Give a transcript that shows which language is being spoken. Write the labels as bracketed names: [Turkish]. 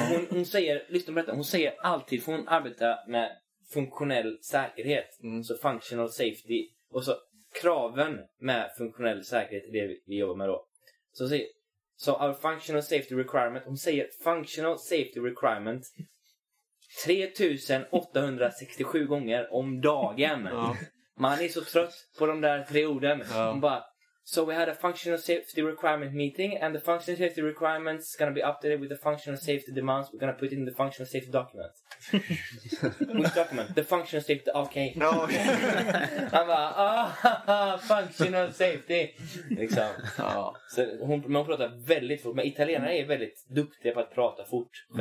[Swedish] Hon säger alltid, får hon arbeta med funktionell säkerhet, så functional safety, och så kraven med funktionell säkerhet är det vi jobbar med då. Så our functional safety requirement, hon säger functional safety requirement 3867 gånger om dagen. Man är så trött på de där tre orden. Hon bara, [English] so we had a functional safety requirement meeting and the functional safety requirements is going to be updated with the functional safety demands. We're going to put in the functional safety document. Which document? The functional safety. Okay. No. I'm like, functional safety. [Swedish] Liksom. Ja. Så hon pratar väldigt fort. Men italienare är väldigt duktiga på att prata fort.